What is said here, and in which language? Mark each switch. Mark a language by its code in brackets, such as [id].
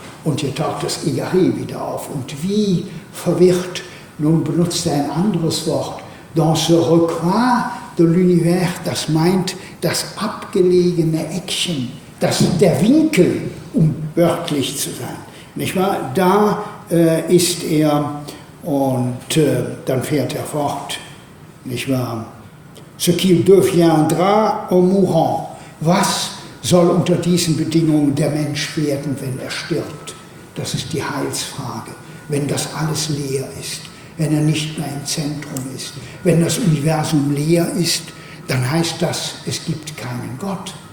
[de] und hier taucht das égaré wieder auf, und wie verwirrt, nun benutzt er ein anderes Wort, [fr] dans ce recoin de l'univers, [de] das meint das abgelegene Eckchen, das, der Winkel, um wörtlich zu sein. Nicht wahr? Da ist er und dann fährt er fort. Nicht wahr? [fr] Ce qu'il deviendra en mourant. [de] Was soll unter diesen Bedingungen der Mensch werden, wenn er stirbt? Das ist die Heilsfrage. Wenn das alles leer ist, wenn er nicht mehr im Zentrum ist, wenn das Universum leer ist, dann heißt das, es gibt keinen Gott.